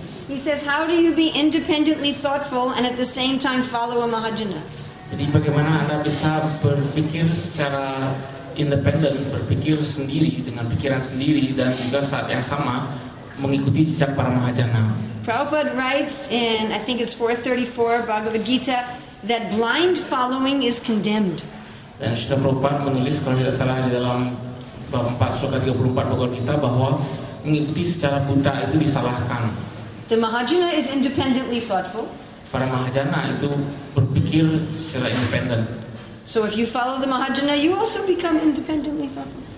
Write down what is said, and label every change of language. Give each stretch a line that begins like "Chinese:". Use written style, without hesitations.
English: He says, how do you be independently thoughtful and at the same time follow a Mahajana?
Indonesian: Jadi bagaimana Anda bisa berpikir secara independen, berpikir sendiri dengan pikiran sendiri, dan juga saat yang sama mengikuti jejak para Mahajana?
English: Prabhupada writes in, I think it's 434 Bhagavad Gita, that blind following is condemned.
Indonesian: Dan Srila Prabhupada menulis, kalau tidak salah, di dalam bab 4 sloka 34 Bhagavad Gita, bahwa mengikuti secara buta itu disalahkan.
English: The Mahajana is independently thoughtful.
Indonesian: Para Mahajana itu berpikir secara independen.
English: So if you follow the Mahajana, you also become independently thoughtful.